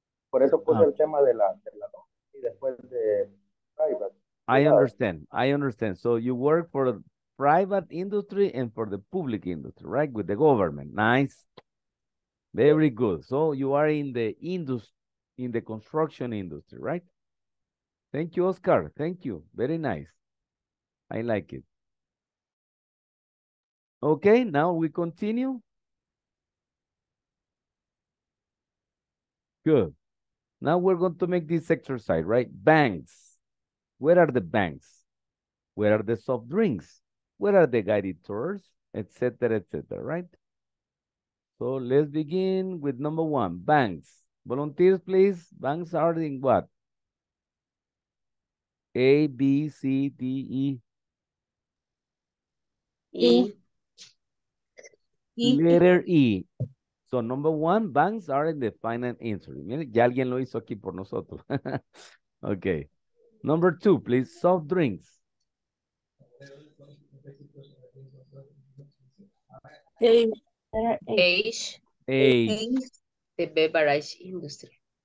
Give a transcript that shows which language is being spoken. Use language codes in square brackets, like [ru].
[es] Por eso puse el tema de la y después de private. [en] I understand. So you work for private industry and for the public industry, right? With the government. Nice. Very good. So you are in the industry, in the construction industry, right? Thank you, Oscar. Thank you. Very nice. I like it. Okay, now we continue. Good. Now we're going to make this exercise, right? Banks. Where are the banks? Where are the soft drinks? Where are the guided tours? Etc., etc., right? So let's begin with number one, banks. Volunteers, please. Banks are in what? A, B, C, D, E. E. Letter E. So, number one, banks are in the finance industry. [es] Miren, ya alguien lo hizo aquí por nosotros. [en] Okay. Number two, please, soft drinks. Age. The beverage industry.